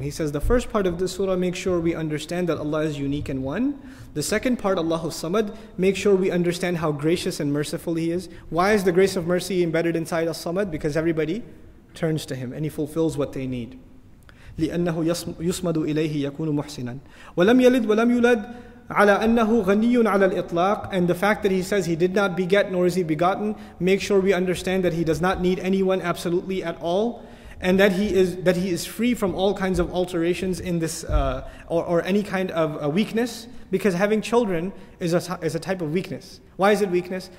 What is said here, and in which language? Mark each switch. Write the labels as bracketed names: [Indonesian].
[English] He says, the first part of this surah, make sure we understand that Allah is unique and one. The second part, Allahu Samad, make sure we understand how gracious and merciful He is. Why is the grace of mercy embedded inside As-Samad? Because everybody turns to Him and He fulfills what they need. [Arabic] لأنه يصمد إليه يكون محسنا ولم يلد ولم يولد على أنه غني على الإطلاق. [English] And the fact that he says he did not beget nor is he begotten, make sure we understand that he does not need anyone absolutely at all, and that he is free from all kinds of alterations in this or any kind of weakness, because having children is a type of weakness. Why is it weakness?